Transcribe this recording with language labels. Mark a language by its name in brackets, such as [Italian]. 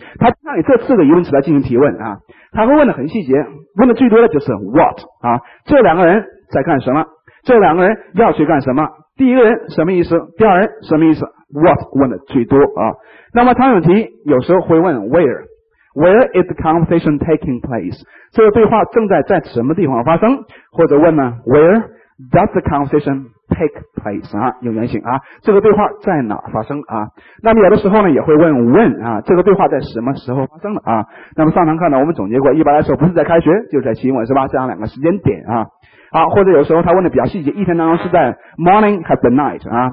[Chinese] 它让你这四个疑问词来进行提问啊，它会问的很细节，问的最多的就是 what 啊，这两个人在干什么？这两个人要去干什么？第一个人什么意思？第二人什么意思 ？what 问的最多啊。那么场景题有时候会问 where。 [English] Where is the conversation taking place? [Chinese] 这个对话正在什么地方发生？或者问呢 [English] ？Where does the conversation take place? [Chinese] 啊，有原型啊，这个对话在哪发生啊？那么有的时候呢，也会问 When 啊，这个对话在什么时候发生的啊？那么上堂课呢，我们总结过，一般来说不是在开学，就是在期末，是吧？这样两个时间点啊。好，或者有时候他问的比较细节，一天当中是在 morning 还是 night 啊？